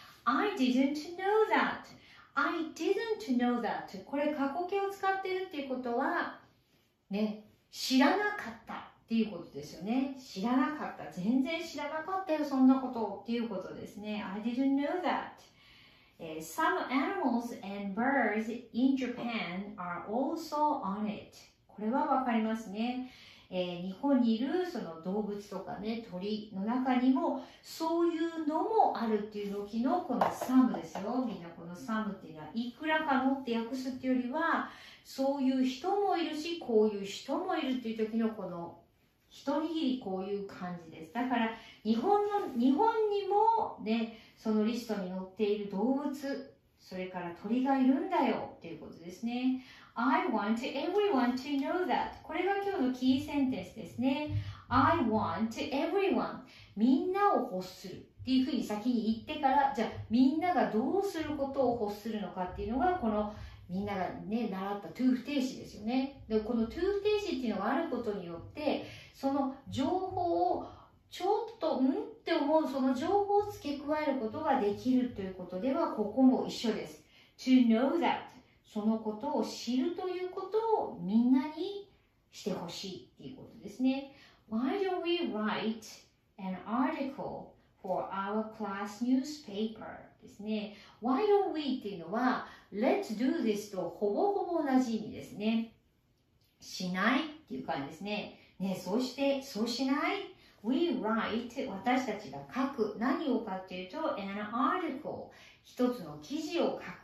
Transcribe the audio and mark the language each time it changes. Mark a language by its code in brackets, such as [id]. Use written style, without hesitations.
[en] I didn't know that. I didn't know that. [ja] これ過去形を使っているっていうことは、ね、知らなかったっていうことですよね。知らなかった。全然知らなかったよ、そんなことっていうことですね。 [en] I didn't know that. Some animals and birds in Japan are also on it. [ja] これはわかりますね。日本にいるその動物とかね、鳥の中にもそういうのもあるっていう時のこのサムですよ。みんなこのサムっていうのは、いくらかのって訳すっていうよりは、そういう人もいるし、こういう人もいるっていう時のこの一握りこういう感じです。だから日本にもね、そのリストに載っている動物、それから鳥がいるんだよっていうことですね。 [en] I want everyone to know that. [ja] これが今日のキーセンテンスですね。 [en] I want everyone. [ja] みんなを欲するっていうふうに先に言ってから、じゃあみんながどうすることを欲するのかっていうのが、このみんながね、習った to 不定詞ですよね。で、この to 不定詞っていうのがあることによって、その情報をちょっと、ん？って思う、その情報を付け加えることができるということでは、ここも一緒です。 [en] to know that。 [ja] そのことを知るということをみんなにしてほしいっていうことですね。 [en] Why don't we write an article for our class newspaper? [ja] ですね。 Why don't we っていうのは、 [en] Let's do this [ja] とほぼほぼ同じ意味ですね。しないっていう感じですね。ね、そうして、そうしない？ [en] We write、 [ja] 私たちが書く、何をかっていうと、an article、一つの記事を書く。